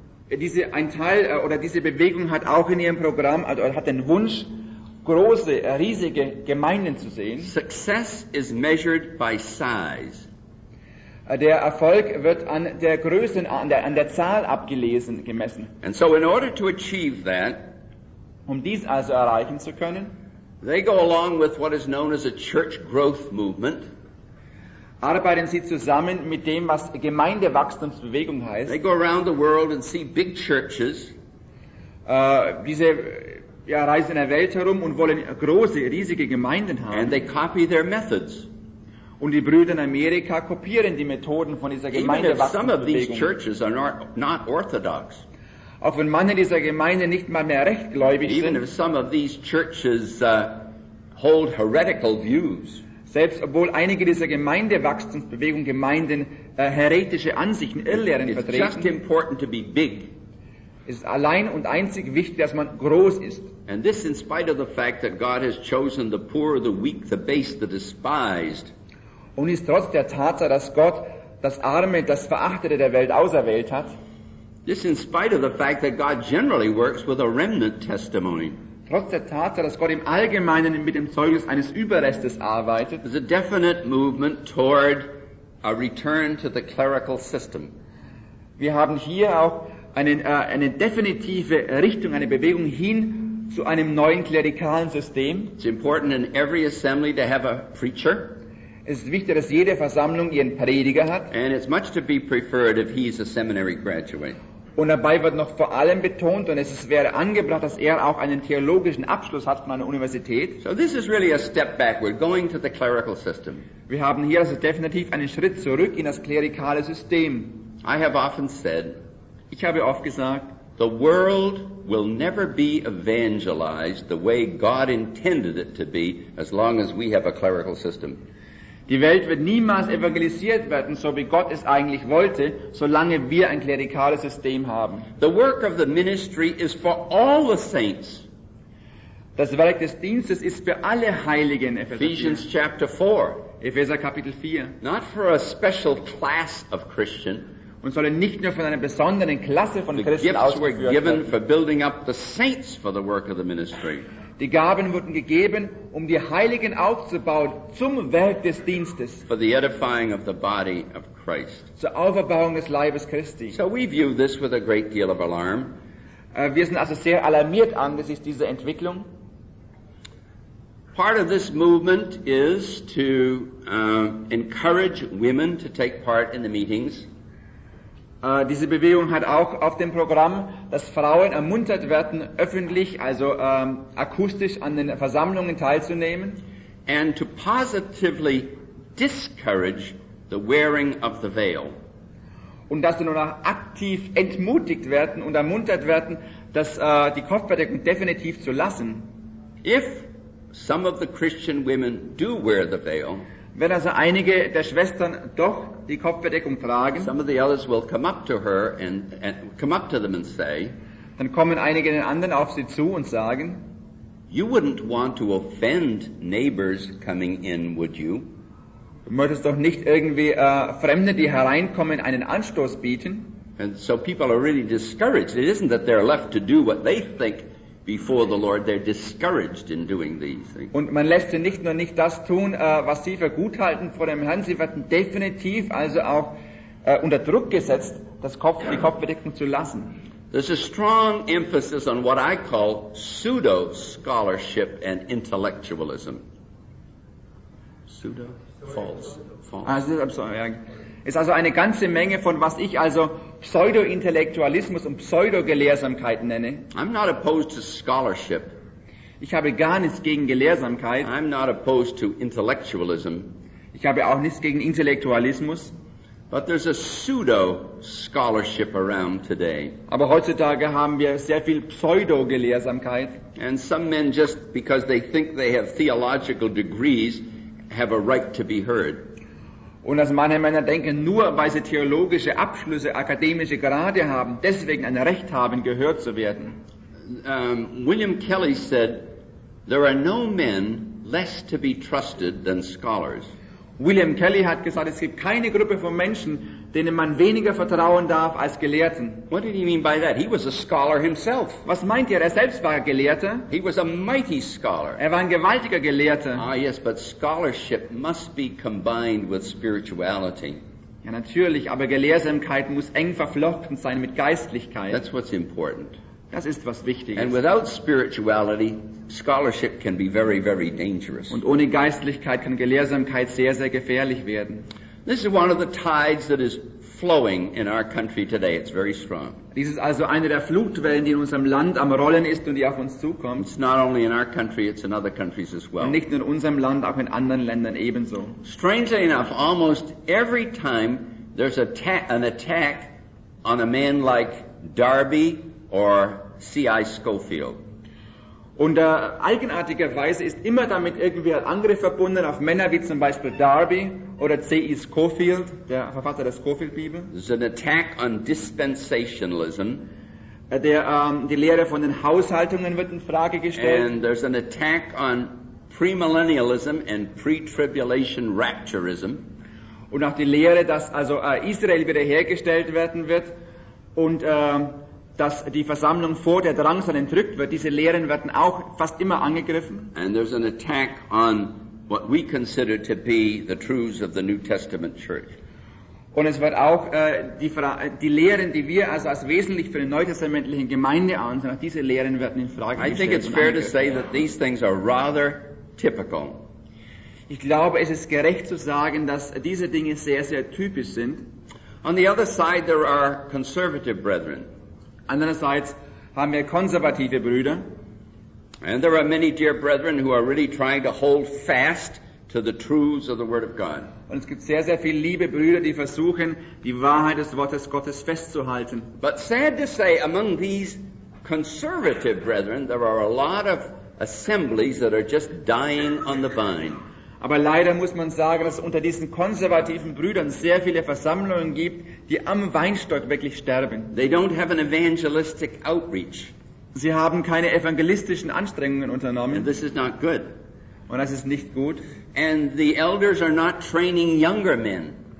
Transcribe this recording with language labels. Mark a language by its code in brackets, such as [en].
[de] Diese Bewegung hat auch in ihrem Programm, also hat den Wunsch, große, riesige Gemeinden zu sehen. [en] Success is measured by size. [de] Der Erfolg wird an der Größe, an der Zahl abgelesen, gemessen. [en] And so in order to achieve that, [de] um dies also erreichen zu können, [en] they go along with what is known as a church growth movement. [de] Arbeiten sie zusammen mit dem, was Gemeindewachstumsbewegung heißt. [en] They go around the world and see big churches. [de] Diese reisen in der Welt herum und wollen große, riesige Gemeinden haben. [en] And they copy their methods. [de] Und die Brüder in Amerika kopieren die Methoden von dieser Gemeindewachstumsbewegung. [en] Even if some of these churches are not orthodox. [de] Auch wenn manche dieser Gemeinden nicht mal mehr rechtgläubig sind. [en] Even if some of these churches hold heretical views. [de] Selbst obwohl einige dieser Gemeindewachstumsbewegung Gemeinden heretische Ansichten, Irrlehren vertreten. [en] It's just important to be big. [de] Es ist allein und einzig wichtig, dass man groß ist. [en] And this in spite of the fact that God has chosen the poor, the weak, the base, the despised. [de] Und ist trotz der Tatsache, dass Gott das Arme, das Verachtete der Welt auserwählt hat. [en] This in spite of the fact that God generally works with a remnant testimony. [de] Trotz der Tatsache, dass Gott im Allgemeinen mit dem Zeugnis eines Überrestes arbeitet, [en] there's a definite movement toward a return to the clerical system. [de] Wir haben hier auch eine definitive Richtung, eine Bewegung hin zu einem neuen klerikalen System. [en] It's important in every assembly to have a preacher. [de] Es ist wichtig, dass jede Versammlung ihren Prediger hat. [en] And it's much to be preferred if he's a seminary graduate. [de] Und dabei wird noch vor allem betont, und es wäre angebracht, dass er auch einen theologischen Abschluss hat von einer Universität. [en] So this is really a step backward, going to the clerical system. [de] Wir haben hier also definitiv einen Schritt zurück in das klerikale System. [en] I have often said, [de] ich habe oft gesagt, [en] the world will never be evangelized the way God intended it to be, as long as we have a clerical system. [de] Die Welt wird niemals evangelisiert werden, so wie Gott es eigentlich wollte, solange wir ein klerikales System haben. [en] The work of the ministry is for all the saints. [de] Das Werk des Dienstes ist für alle Heiligen. [en] Ephesians chapter 4. [de] Epheser Kapitel 4. [en] Not for a special class of Christian. [de] Und sollen nicht nur von einer besonderen Klasse von Christen ausgeführt werden. [en] Given for building up the saints for the work of the ministry. [de] Die Gaben wurden gegeben, um die Heiligen aufzubauen zum Werk des Dienstes. [en] For the edifying of the body of Christ. [de] Zur Auferbauung des Leibes Christi. [en] So we view this with a great deal of alarm. [de] Wir sind also sehr alarmiert angesichts dieser Entwicklung. [en] Part of this movement is to encourage women to take part in the meetings. [de] Diese Bewegung hat auch auf dem Programm, dass Frauen ermuntert werden, öffentlich, also akustisch an den Versammlungen teilzunehmen. [en] And to positively discourage the wearing of the veil. [de] Und dass sie nun auch aktiv entmutigt werden und ermuntert werden, dass die Kopfbedeckung definitiv zu lassen. [en] If some of the Christian women do wear the veil, [de] wenn also einige der Schwestern doch die Kopfbedeckung tragen, [en] some of the others will come up to her and come up to them and say, [de] dann kommen einige den anderen auf sie zu und sagen, [en] you wouldn't want to offend neighbors coming in, would you? [de] Du möchtest doch nicht irgendwie Fremde, die hereinkommen, einen Anstoß bieten. [en] And so people are really discouraged. It isn't that they're left to do what they think before the Lord, they're discouraged in doing these things. [de] Und man lässt sie nicht nur nicht das tun, was sie für gut halten vor dem Herrn. Sie werden definitiv also auch unter Druck gesetzt, die Kopfbedeckung zu lassen. [en] There's a strong emphasis on what I call pseudo scholarship and intellectualism. Pseudo? False. Also, I'm sorry. [de] Ist also eine ganze Menge von was ich also Pseudo-Intellektualismus und Pseudo-Gelehrsamkeit nenne. [en] I'm not opposed to scholarship. [de] Ich habe gar nichts gegen Gelehrsamkeit. [en] I'm not opposed to intellectualism. [de] Ich habe auch nichts gegen Intellektualismus. [en] But there's a pseudo-scholarship around today. [de] Aber heutzutage haben wir sehr viel Pseudo-Gelehrsamkeit. [en] And some men, just because they think they have theological degrees, have a right to be heard. [de] Und dass manche Männer denken, nur weil sie theologische Abschlüsse, akademische Grade haben, deswegen ein Recht haben, gehört zu werden. [en] William Kelly said, there are no men less to be trusted than scholars. [de] William Kelly hat gesagt, es gibt keine Gruppe von Menschen, denen man weniger vertrauen darf als Gelehrten. [en] What did he mean by that? He was a scholar himself. [de] Was meint er? Er selbst war Gelehrter. [en] He was a mighty scholar. [de] Er war ein gewaltiger Gelehrter. [en] Ah, yes, but scholarship must be combined with spirituality. [de] Ja, natürlich, aber Gelehrsamkeit muss eng verflochten sein mit Geistlichkeit. [en] That's what's important. [de] Das ist was Wichtiges. [en] And without spirituality, scholarship can be very, very dangerous. [de] Und ohne Geistlichkeit kann Gelehrsamkeit sehr, sehr gefährlich werden. [en] This is one of the tides that is flowing in our country today. It's very strong. [de] Dies ist also eine der Flutwellen, die in unserem Land am Rollen ist und die auf uns zukommt. [en] It's not only in our country, it's in other countries as well. [de] Nicht nur in unserem Land, auch in anderen Ländern ebenso. [en] Strangely enough, almost every time there's an attack on a man like Darby or C.I. Schofield. [de] Und eigenartigerweise ist immer damit irgendwie ein Angriff verbunden auf Männer wie zum Beispiel Darby oder C.E. Schofield, der Verfasser der Schofield-Bibel. [en] It's an attack on dispensationalism. [de] Die Lehre von den Haushaltungen wird in Frage gestellt. [en] And there's an attack on premillennialism and pre-tribulation rapturism. [de] Und auch die Lehre, dass also Israel wiederhergestellt werden wird und dass die Versammlung vor der Drangsal entrückt wird. Diese Lehren werden auch fast immer angegriffen. [en] And there's an attack on what we consider to be the truths of the New Testament church. [de] Und es wird auch die Lehren, die wir also als wesentlich für den neutestamentlichen Gemeinde ansehen, auch diese Lehren werden in Frage gestellt. [en] I think it's fair to say that these things are rather typical. [de] Ich glaube, es ist gerecht zu sagen, dass diese Dinge sehr, sehr typisch sind. [en] On the other side, there are conservative brethren. [de] Andererseits haben wir konservative Brüder. [en] And there are many dear brethren who are really trying to hold fast to the truths of the Word of God. [de] Und es gibt sehr, sehr viele liebe Brüder, die versuchen, die Wahrheit des Wortes Gottes festzuhalten. [en] But sad to say, among these conservative brethren, there are a lot of assemblies that are just dying on the vine. [de] Aber leider muss man sagen, dass es unter diesen konservativen Brüdern sehr viele Versammlungen gibt, die am Weinstock wirklich sterben. [en] They don't have an evangelistic outreach. [de] Sie haben keine evangelistischen Anstrengungen unternommen. [en] And this is not good. [de] Und das ist nicht gut. [en] And the elders are not training younger men.